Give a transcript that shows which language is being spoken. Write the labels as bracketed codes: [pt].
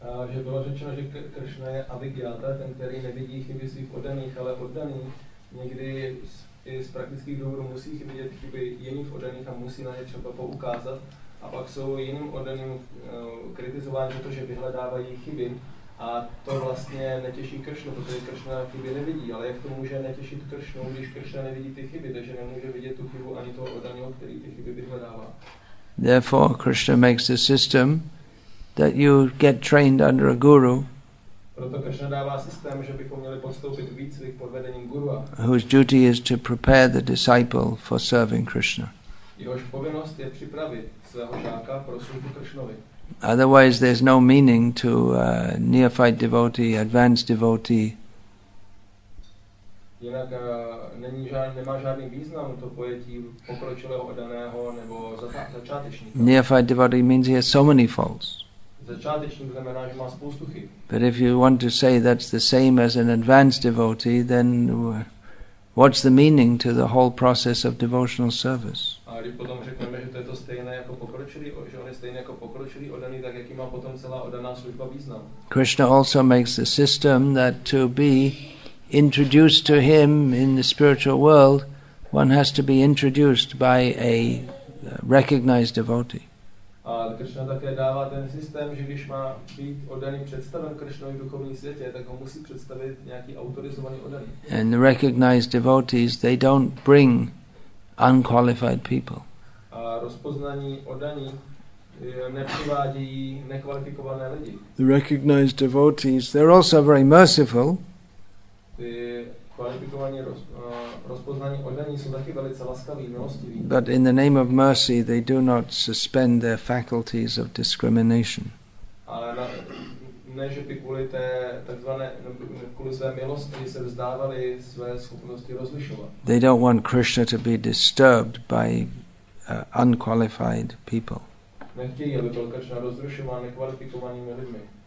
[cs] Že bylo řečeno, že Krishna je avigyata, ten, který nevidí chyby svých oddaných, ale oddaných někdy i z praktických důvodů musí vidět chyby jiných oddaných a musí na ně třeba poukázat. A pak jsou jiným oddaným kritizováni za to, že vyhledávají chyby. A to vlastně netěší Krishnu, protože Krishna chyby nevidí. Ale jak to může netěšit Krishnu, když Krishna nevidí ty chyby, takže nemůže vidět tu chybu ani toho oddaného, který ty chyby vyhledává. [en] Therefore, Krishna makes the system that you get trained under a guru, [cs] proto Krishna dává systém, že bychom měli podstoupit výcvik pod vedením gurua, [en] whose duty is to prepare the disciple for serving Krishna. [cs] Jehož povinnost je připravit svého žáka pro službu Krishnovi. [en] Otherwise, there's no meaning to neophyte devotee, advanced devotee. [cs] Jinak nemá žádný význam to pojetí pokročilého daného nebo začátečníka. [en] Neophyte devotee means he has so many faults. [cs] Začátečník znamená, že má spoustu chyb. [en] But if you want to say that's the same as an advanced devotee, then what's the meaning to the whole process of devotional service? [cs] A když potom řekneme, že to je to stejné jako pokročilý, že on je stejný jako pokročilý oddaný, tak jaký má potom celá oddaná služba význam? [en] Krishna also makes the system that to be introduced to him in the spiritual world, one has to be introduced by a recognized devotee. [cs] A Krishna také dává ten systém, že když má být oddaný představen Krishnovi v duchovním světě, tak ho musí představit nějaký autorizovaný oddaný. [en] And the recognized devotees, they don't bring unqualified people. [cs] A rozpoznaní oddaní nepřivádějí nekvalifikované lidi. [en] The recognized devotees, they're also very merciful. [cs] Ty kvalifikovaní rozpoznaní oddaní jsou taky velice laskaví, milostiví. [en] But in the name of mercy, they do not suspend their faculties of discrimination. [cs] Ale ne, že by kvůli té takzvané, kvůli své milosti se vzdávali své schopnosti rozlišovat. [en] They don't want Krishna to be disturbed by unqualified people. [cs] Nechtějí, aby byl Krishna rozrušován nekvalifikovanými lidmi.